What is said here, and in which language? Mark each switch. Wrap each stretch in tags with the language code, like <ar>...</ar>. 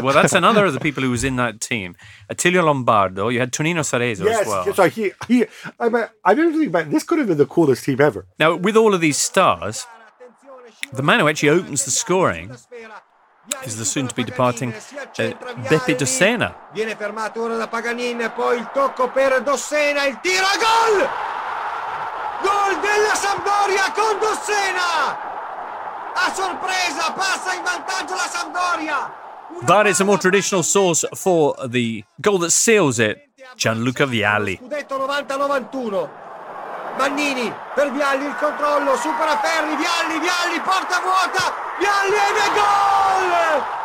<en>Well, that's another of the people who was in that team. Attilio Lombardo. You had Tonino Cerezo as well. Yes, I didn't think about this. Could have been the coolest team ever. Now, with all of these stars, the man who actually opens the scoring is the soon-to-be departing Beppe Dossena.</en> <it>Viene fermato ora da Paganini, poi il tocco per Dossena, il tiro a gol! Gol della Sampdoria con Dossena! A sorpresa, passa in vantaggio la Sampdoria!</it> <en>That is a more traditional source for the goal that seals it, Gianluca Vialli.</en> <it>Scudetto 90-91. Mannini per Vialli, il controllo, supera Ferri, Vialli, porta vuota, Vialli ed è gol!</it>